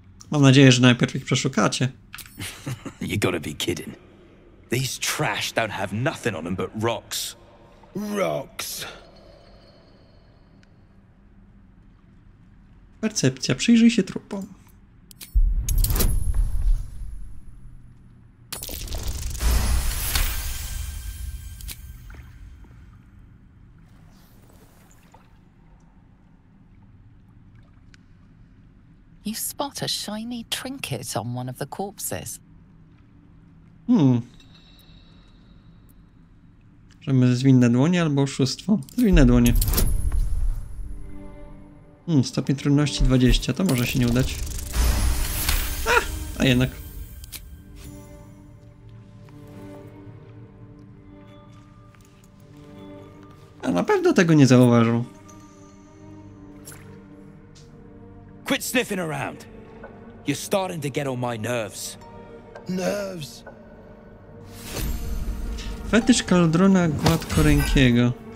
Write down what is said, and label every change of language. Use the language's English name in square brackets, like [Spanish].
[Polish] Mam nadzieję, że najpierw ich przeszukacie. [English] You gotta be kidding. These trash don't have nothing on them but rocks. Rocks. [Polish] Percepcja, przyjrzyj się trupom. [English] You spot a shiny trinket on one of the corpses. [Polish] Możemy zwinne dłonie albo oszustwo. Zwinne dłonie. Stopień trudności 20. To może się nie udać. A jednak. A na pewno tego nie zauważył. [English] Quit sniffing around. You're starting to get on my nerves. Nerves. [Polish] Fetysz kaldrona gładkorękiego.